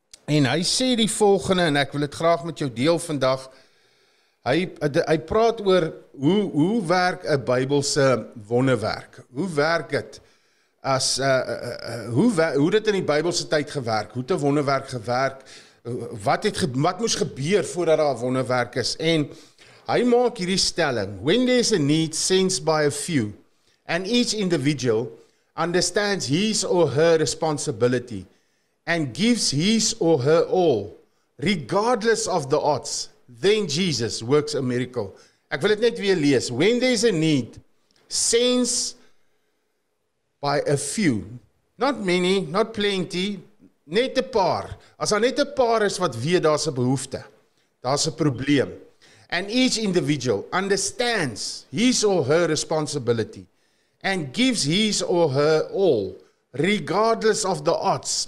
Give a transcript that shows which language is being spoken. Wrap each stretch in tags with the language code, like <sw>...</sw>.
<af>En hy sê die volgende, en ek wil het graag met jou deel vandag. Hy praat oor hoe werk 'n Bybelse wonderwerk? Hoe werk dit? As hoe dit in die Bybelse tyd gewerk? Hoe het 'n wonderwerk gewerk? Wat moes gebeur voordat daar 'n wonderwerk is? En hy maak hierdie stelling:</af> <en>When there's a need sensed by a few, and each individual understands his or her responsibility, and gives his or her all, regardless of the odds, then Jesus works a miracle.</en> <af>Ek wil dit net weer lees.</af> <en>When there's a need sensed by a few, not many, not plenty,</en> <af>net 'n paar. As daar net 'n paar is wat weet daar's 'n behoefte, daar's 'n probleem.</af> <en>And each individual understands his or her responsibility and gives his or her all, regardless of the odds.</en>